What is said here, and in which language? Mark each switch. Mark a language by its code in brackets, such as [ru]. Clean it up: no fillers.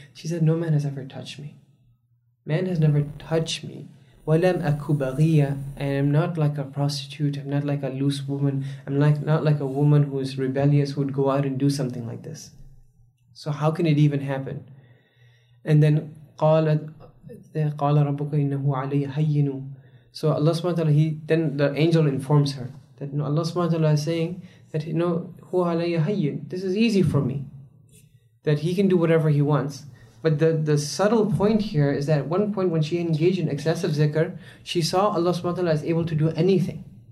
[en] She said, no man has ever touched me. Man has never touched me. [ar] وَلَمْ أَكُوْ بَغِيَّةً. [en] I'm not like a prostitute, I'm not like a loose woman, I'm like not like a woman who is rebellious, who would go out and do something like this. So how can it even happen? And then [ar] قَالَ رَبُّكَ إِنَّهُ عَلَيَّ هَيِّنُ. [en] So Allah subhanahu wa ta'ala, then the angel informs her that, you know, Allah subhanahu wa ta'ala is saying that, you know, [ar] هُوَ عَلَيَّ هَيِّنُ, [en] this is easy for me, that he can do whatever he wants. But the subtle point here is that at one point when she engaged in excessive zikr, she saw Allah subhanahu wa ta'ala as able to do anything.